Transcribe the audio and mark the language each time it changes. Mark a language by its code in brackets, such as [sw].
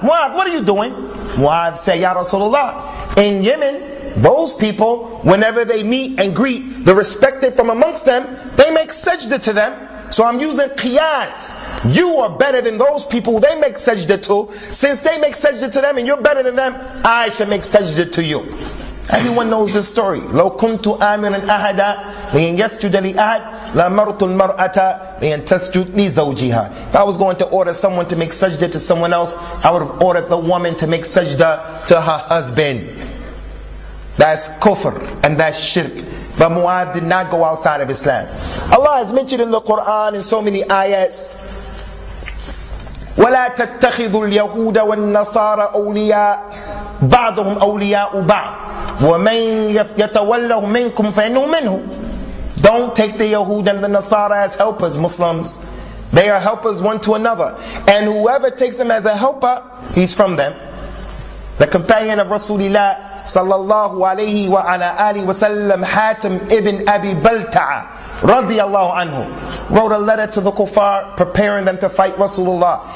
[en] Mu'adh, what are you doing? Mu'adh said, ya Rasulullah, in Yemen, those people, whenever they meet and greet the respected from amongst them, they make sajda to them. So I'm using qiyas. You are better than those people they make sajda to. Since they make sajda to them and you're better than them, I should make sajda to you. Everyone knows this story. [ar] لو كنت آمرا أحدا لأن يسجد لأحد لأمرت المرأة لأن تسجد لزوجها. [en] If I was going to order someone to make sajda to someone else, I would have ordered the woman to make sajda to her husband. That's kufr and that's shirk. But Mu'adh did not go outside of Islam. Allah has mentioned in the Quran in so many ayats, [ar] وَلَا تَتَّخِذُ الْيَهُودَ وَالنَّصَارَ أَوْلِيَاءُ بَعْضُهُمْ أَوْلِيَاءُ بَعْضُ وَمَنْ يَتَوَلَّهُ مِنْكُمْ فَإِنُّهُ مِنْهُ. [en] Don't take the Yahud and the Nasara as helpers, Muslims. They are helpers one to another. And whoever takes them as a helper, he's from them. The companion of Rasulullah sallallahu alayhi wa ala alihi wa sallam, Hatim ibn Abi Balta'a radiallahu anhu, wrote a letter to the kuffar preparing them to fight Rasulullah.